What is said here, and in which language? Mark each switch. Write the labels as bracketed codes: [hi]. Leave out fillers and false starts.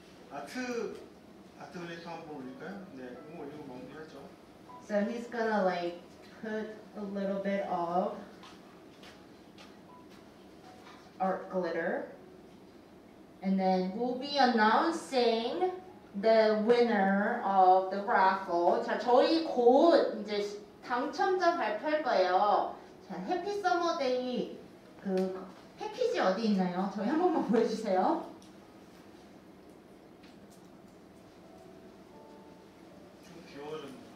[ko] 아트 글리터 한번 올릴까요? 네, 이거 올리고 마무리하죠. [en] So he's gonna like put a little bit of art glitter, and then we'll be announcing the winner of the raffle. [ko] 자, 저희 곧 이제 당첨자 발표할 거예요. 자, 해피 서머 데이 그 패키지 어디 있나요? 저희 한 번만 보여주세요. 귀여워졌네.